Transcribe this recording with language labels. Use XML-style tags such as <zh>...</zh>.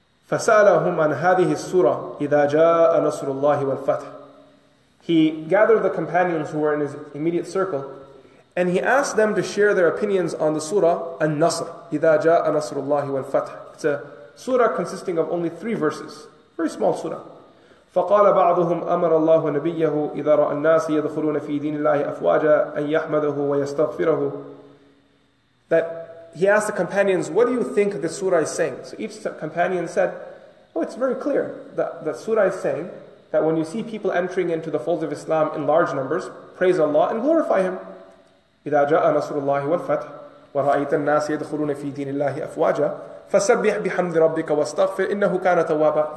<ar>فَسَأَلَهُمْ عَنْ هَذِهِ السُّورَةِ إِذَا جَاءَ نَصْرُ اللَّهِ وَالْفَتْحِ.</ar> <en>He gathered the companions who were in his immediate circle, and he asked them to share their opinions on the surah An-Nasr,</en> <ar>إِذَا جَاءَ نَصْرُ اللَّهِ وَالْفَتْحِ.</ar> <en>It's a surah consisting of only 3 verses, very small surah.</en> <ar>فقال بعضهم أمر الله نبيه إذا رأى الناس يدخلون في دين الله أفواجا أن يحمده ويستغفره.</ar> <en>That he asked the companions, "What do you think this surah is saying?" So each companion said, Well, it's very clear that the surah is saying that when you see people entering into the folds of Islam in large numbers, praise Allah and glorify Him.</en> <ar>إِذَا جَاءَ نَصْرُ اللَّهِ وَالْفَتْحِ وَرَأَيْتَ النَّاسِ يَدْخُلُونَ فِي دِينِ اللَّهِ أَفْوَاجًا فَسَبِّحْ بِحَمْدِ رَبِّكَ وَاسْتَغْفِرْ إِنَّهُ كَانَ تَوَّابًا.</ar>